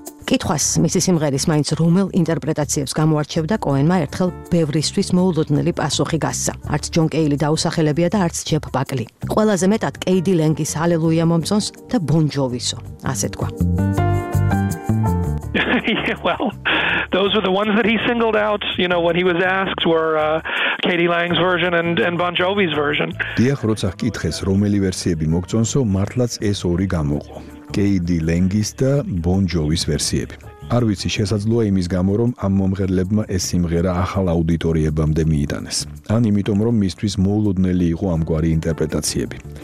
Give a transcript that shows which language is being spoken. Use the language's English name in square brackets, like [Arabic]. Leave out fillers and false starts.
[Georgian] კითხვას მისი სიმღერის მაინც რომელ ინტერპრეტაციებს გამოარჩევდა კოენმა ერთხელ ბევრისთვის მოულოდნელი პასუხი გასცა. არც ჯონ კეილი დაუსახელებია და არც ჯეფ ბაკლი. ყველაზე მეტად კეიდი ლენგის ჰალელუია მომწონს და Bon Jovi-სო, ასე თქვა. [English] Well, those were the ones that he singled out, you know, when he was asked were Katie Lang's version and Bon Jovi's version. [Georgian] დიახ, როცა ჰკითხეს რომელი ვერსიები მოგწონსო, მართლაც ეს ორი გამოყო. კეიდი ლენგის და Bon Jovi-ს ვერსიები. არ ვიცი, შესაძლოა იმის გამო, რომ ამ მომღერლებმა ეს სიმღერა ახალ აუდიტორიებამდე მიიტანეს. ან იმიტომ, რომ მისთვის მოულოდნელი იყო ამგვარი ინტერპრეტაციები.